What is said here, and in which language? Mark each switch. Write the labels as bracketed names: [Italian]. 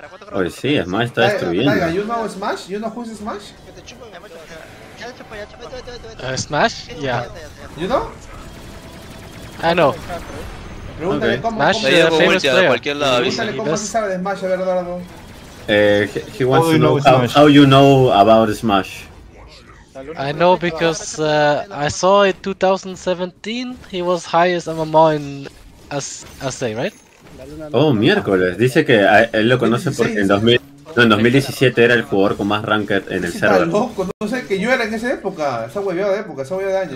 [Spanish] Pues sí, Smash está destruyendo. [English] Tyre, ¿you know Smash? ¿You know who's Smash? [Spanish] ¿Smash? Ya. [English] ¿You know? [Spanish] Ah, no. Pregúntale [English] okay. [Spanish] Cómo Smash de cualquier lado. Pregúntale cómo se sabe de Smash, a ver, Dardo. [English] He wants to know how you know about Smash. I know because I saw in 2017 he was highest MMO in SA, right? [Spanish] Oh, miércoles. Dice que él lo conoce porque en 2017 era el jugador con más ranked en el server. Loco, no sé que yo era en esa época. Esa hueveada de época, esa hueveada de año.